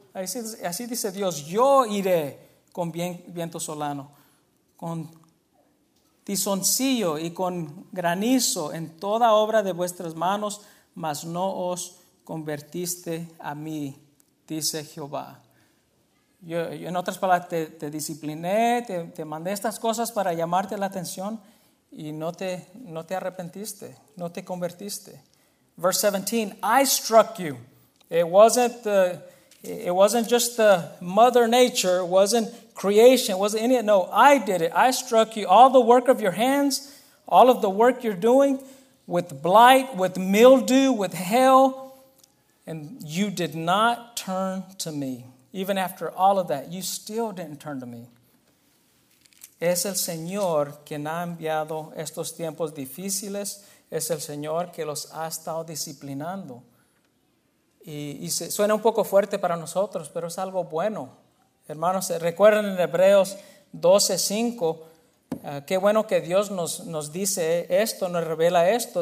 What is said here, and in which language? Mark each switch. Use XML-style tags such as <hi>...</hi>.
<es>Así dice Dios, yo iré con viento solano, con tizoncillo y con granizo en toda obra de vuestras manos, mas no os convertiste a mí, dice Jehová. Yo en otras palabras, te discipliné, te mandé estas cosas para llamarte la atención y no te arrepentiste, no te convertiste.</es> <en>Verse 17, I struck you. It wasn't just the mother nature, it wasn't creation, it wasn't any, no, I did it. I struck you, all the work of your hands, All of the work you're doing with blight, with mildew, with hail, and you did not turn to me. Even after all of that, you still didn't turn to me.</en> <es>Es el Señor quien ha enviado estos tiempos difíciles. Es el Señor que los ha estado disciplinando. Y suena un poco fuerte para nosotros, pero es algo bueno. Hermanos, recuerden en Hebreos 12:5, qué bueno que Dios nos dice esto, nos revela esto.</es>